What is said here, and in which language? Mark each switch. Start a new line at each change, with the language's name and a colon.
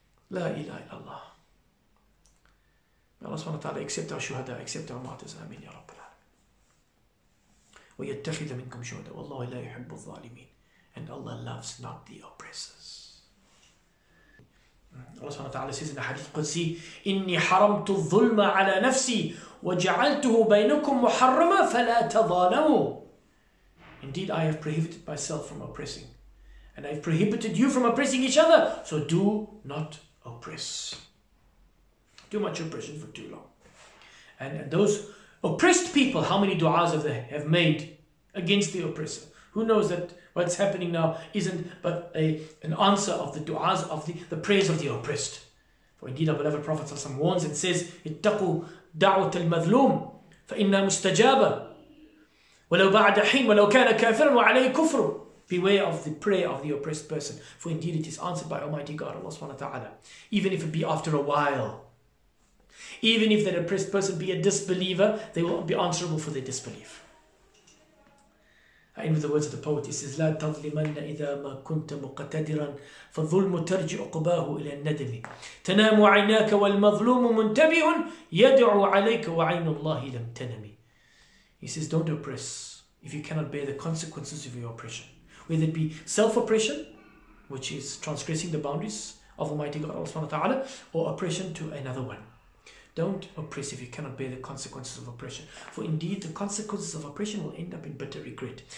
English: La ilaha illallah. May Allah subhanahu wa ta'ala accept our shuhada, accept our martyrs. Ameen ya Rabbi.
Arabic: وَيَتَّخِذَ مِنْكُمْ شُهَدَاءَ وَاللَّهُ لَا يُحِبُّ الظَّالِمِينَ.
English: And Allah loves not the oppressors. Allah subhanahu wa ta'ala says in the hadith Qudsi,
Arabic: إِنِّي حَرَمْتُ الظُّلْمَ عَلَىٰ نَفْسِي وَجَعَلْتُهُ بَيْنُكُمْ مُحَرَّمًا فَلَا تَظَالَمُوا.
English: Indeed, I have prohibited myself from oppressing, and I have prohibited you from oppressing each other, so do not oppress. Too much oppression for too long. And those oppressed people, how many du'as have made against the oppressor? Who knows that what's happening now isn't but an answer of the du'as of the prayers of the oppressed. For indeed our beloved Prophet ﷺ warns and says,
Arabic: اتقوا دعوة المظلوم فإنها مستجابة ولو بعد حين ولو كان كافرا وعليه كفر.
English: Beware of the prayer of the oppressed person, for indeed it is answered by Almighty God, Allah subhanahu wa ta'ala, even if it be after a while. Even if that oppressed person be a disbeliever, they will be answerable for their disbelief. I end with the words of the poet. He says,
Arabic: لَا تَظْلِمَنَّ إِذَا مَا كُنْتَ مُقَتَدِرًا فَالظُّلْمُ تَرْجِعُ قُبَاهُ إِلَى النَّدَمِ تَنَامُ عَيْنَاكَ وَالْمَظْلُومُ مُنْتَبِئٌ يَدْعُ عَلَيْكَ وَعَيْنُ اللَّهِ لَمْ تَنَمِ.
English: He says, don't oppress if you cannot bear the consequences of your oppression. Whether it be self-oppression, which is transgressing the boundaries of Almighty God, Allah subhanahu wa ta'ala, or oppression to another one. Don't oppress if you cannot bear the consequences of oppression. For indeed, the consequences of oppression will end up in bitter regret.